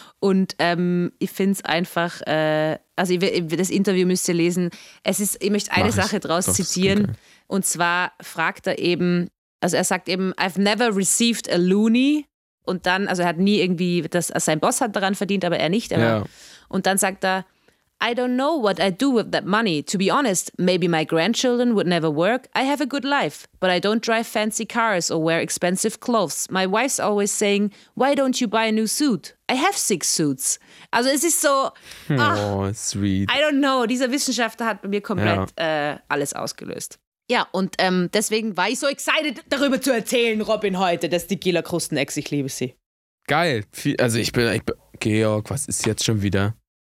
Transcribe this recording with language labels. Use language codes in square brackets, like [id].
[de] Und ich finde es einfach, also ich, das Interview müsst ihr lesen. Es ist, ich möchte eine Sache draus zitieren. Okay. Und zwar fragt er eben, also er sagt eben, [en] I've never received a loony. [de] Und dann, also er hat nie irgendwie, das, also sein Boss hat daran verdient, aber er nicht. Aber, ja. Und dann sagt er, [en] I don't know what I'd do with that money. To be honest, maybe my grandchildren would never work. I have a good life, but I don't drive fancy cars or wear expensive clothes. My wife's always saying, why don't you buy a new suit? I have 6 suits. [de] Also es ist so, [en] oh, sweet. I don't know. [de] Dieser Wissenschaftler hat bei mir komplett alles ausgelöst. Ja, und deswegen war ich so excited, darüber zu erzählen, Robin, heute, dass die Gila-Krusten-Ex, ich liebe sie. Geil. Also ich bin Georg, was ist jetzt schon wieder?